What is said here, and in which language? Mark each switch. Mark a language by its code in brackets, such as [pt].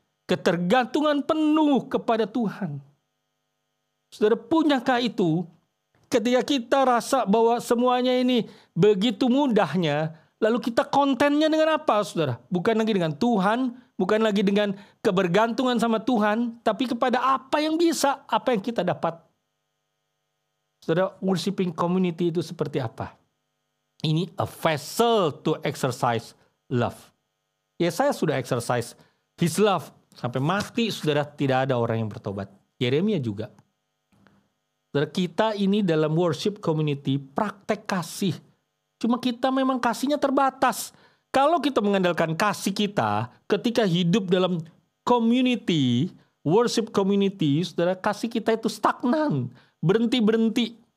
[id] Ketergantungan penuh kepada Tuhan. Saudara, punyakah itu ketika kita rasa bahwa semuanya ini begitu mudahnya, lalu kita kontennya dengan apa, saudara? Bukan lagi dengan Tuhan, bukan lagi dengan kebergantungan sama Tuhan, tapi kepada apa yang bisa, apa yang kita dapat. Saudara, worshiping community itu seperti apa? Ini [en] a vessel to exercise love. [id] Ya, saya sudah [en] exercise his love. [id] Sampai mati, saudara, tidak ada orang yang bertobat. Yeremia juga. Saudara, kita ini dalam worship community praktek kasih. Cuma kita memang kasihnya terbatas. Kalau kita mengandalkan kasih kita ketika hidup dalam community, worship community, saudara, kasih kita itu stagnan. Berhenti-berhenti.